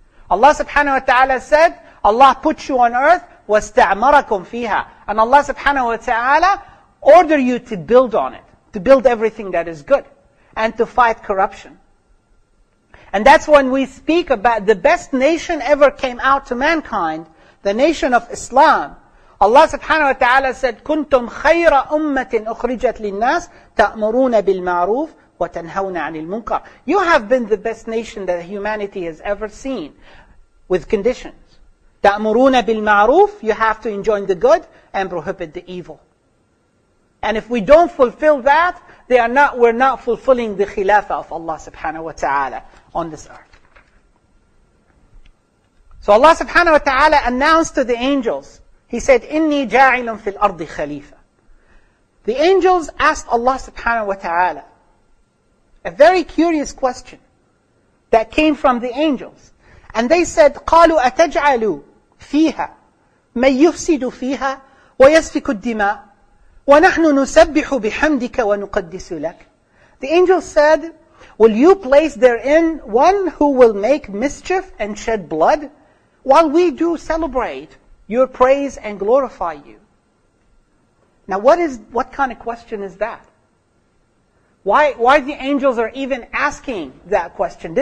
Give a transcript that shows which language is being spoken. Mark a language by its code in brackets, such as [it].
[en] Allah subhanahu wa ta'ala said, Allah put you on earth, [ar] وَاسْتَعْمَرَكُمْ فِيهَا. [en] And Allah subhanahu wa ta'ala order you to build on it, to build everything that is good, and to fight corruption. And that's when we speak about the best nation ever came out to mankind, the nation of Islam. Allah subhanahu wa ta'ala said, [ar] كُنْتُمْ خَيْرَ أُمَّةٍ أُخْرِجَتْ لِلنَّاسِ تَأْمُرُونَ بِالْمَعْرُوفِ وَتَنْهَوْنَ عَنِ الْمُنْكَرِ. [en] You have been the best nation that humanity has ever seen, with conditions. [ar] تَأْمُرُونَ بِالْمَعْرُوفِ. [en] You have to enjoin the good and prohibit the evil. And if we don't fulfill that, we're not fulfilling the khilafah of Allah subhanahu wa ta'ala on this earth. So Allah subhanahu wa ta'ala announced to the angels, He said, [ar] إِنِّي جَاعِلٌ فِي الْأَرْضِ خَلِيفَةً. [en] The angels asked Allah subhanahu wa ta'ala a very curious question that came from the angels. And they said, [ar] قَالُوا أَتَجْعَلُوا فِيهَا مَنْ يُفْسِدُ فِيهَا وَيَسْفِكُ الدِّمَاءَ وَنَحْنُ نُسَبِّحُ بِحَمْدِكَ وَنُقَدِّسُ لَكَ. [en] The angels said, will you place therein one who will make mischief and shed blood while we do celebrate your praise and glorify you? Now what kind of question is that? Why the angels are even asking that question?